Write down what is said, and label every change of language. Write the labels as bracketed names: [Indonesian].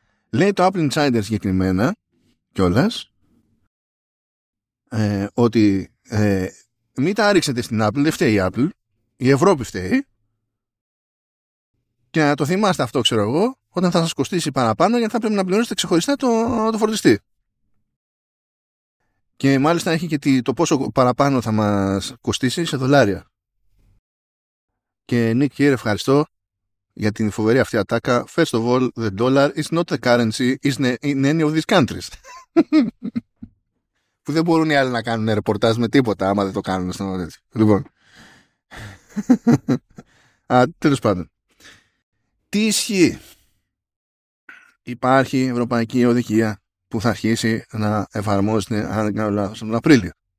[Greek] Λέει το Apple Insider συγκεκριμένα κιόλας ότι μην τα ρίξετε στην Apple, δεν φταίει η Apple, η Ευρώπη φταίει, και να το θυμάστε αυτό, ξέρω εγώ, όταν θα σας κοστίσει παραπάνω, γιατί θα πρέπει να πληρώσετε ξεχωριστά το φορτιστή. Και μάλιστα έχει και το πόσο παραπάνω θα μας κοστίσει σε δολάρια. Και Νίκ, κύριε, ευχαριστώ για την φοβερή αυτή ατάκα. [English] First of all, the dollar is not the currency in any of these countries. [Greek] Που δεν μπορούν οι άλλοι να κάνουν ρεπορτάζ με τίποτα άμα δεν το κάνουν στον ορίζει. Λοιπόν. Τέλος πάντων. Τι ισχύει? Υπάρχει ευρωπαϊκή οδηγία που θα αρχίσει να εφαρμόζεται, αν δεν κάνω λάθος, τον Απρίλιο.